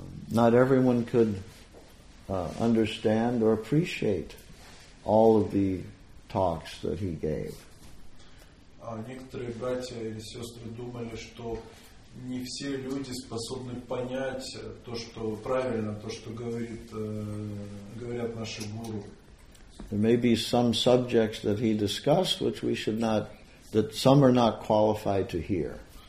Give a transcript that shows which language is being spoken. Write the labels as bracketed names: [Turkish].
[English] not everyone could understand or appreciate all of the talks that he gave. [Russian] Некоторые братья или сестры думали, что не все люди способны понять то, что правильно, то, что говорят наши гуру. [English] There may be some subjects that he discussed, which we should not, that some are not qualified to hear.